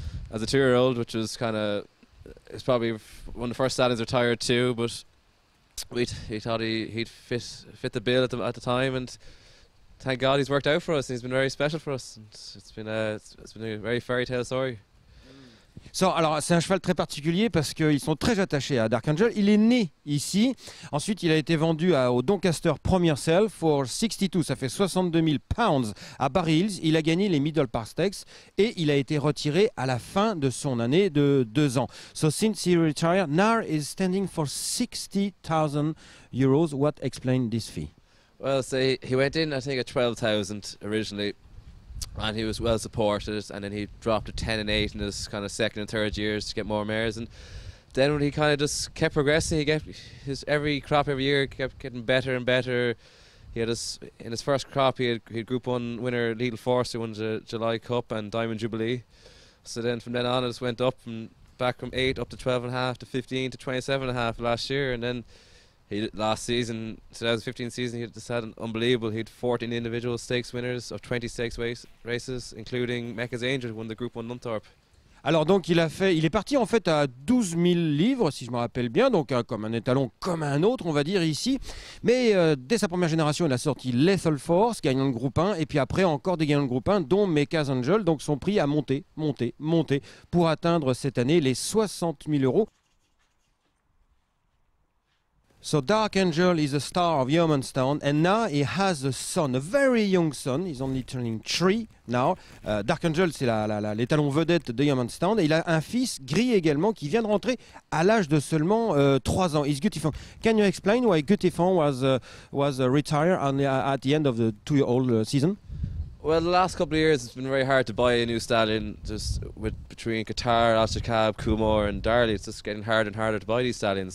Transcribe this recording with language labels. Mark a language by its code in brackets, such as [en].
[en] As a two-year-old, which was kind of, it's probably one of the first stallions retired too, but he thought he'd fit the bill at the time, and thank God he's worked out for us. He's been very special for us, and it's been a very fairy tale story. [fr] So, alors, c'est un cheval très particulier parce qu'ils sont très attachés à Dark Angel. Il est né ici. Ensuite, il a été vendu au Doncaster Premier Sale [en] for 62. [fr] Ça fait 62 000 pounds à Barry Hills. Il a gagné les Middle Park Stakes et il a été retiré à la fin de son année de 2 ans. [en] So, since he retired, NAR is standing for 60,000 euros. What explained this fee? Well, so he went in, I think, at 12,000 originally. And he was well supported, and then he dropped to 10 and 8 in his kind of second and third years to get more mares. And then when he kind of just kept progressing, he kept his every crop every year kept getting better and better. He had in his first crop, he had Group 1 winner Lidl Force, who won the July Cup and Diamond Jubilee. So then from then on, it just went up and back from 8 up to 12.5 to 15 to 27.5 last year. And then he last season, 2015 season, he just had an unbelievable. He had 14 individual stakes winners of 20 stakes races, including Mecca's Angel, who won the Group 1 Nunthorpe. [fr] Alors donc il est parti en fait à 12 000 livres si je me rappelle bien, donc comme un étalon comme un autre on va dire ici, mais dès sa première génération il a sorti Lethal Force, gagnant de groupe 1, et puis après encore des gagnants de groupe 1 dont Mecca's Angel, donc son prix a monté pour atteindre cette année les 60 000 euros. [en] So Dark Angel is a star of Yeomanstown, and now he has a son, a very young son. He's only turning 3 now. [fr] Dark Angel, c'est l'étalon vedette de Yeomanstown. Il a un fils gris également qui vient de rentrer à l'âge de seulement 3 ans. [en] He's Gutifan. Can you explain why Gutifan was retired at the end of the 2-year-old season? Well, the last couple of years it's been very hard to buy a new stallion. Just with between Qatar, Ashikab, Coomore, and Darley, it's just getting harder and harder to buy these stallions.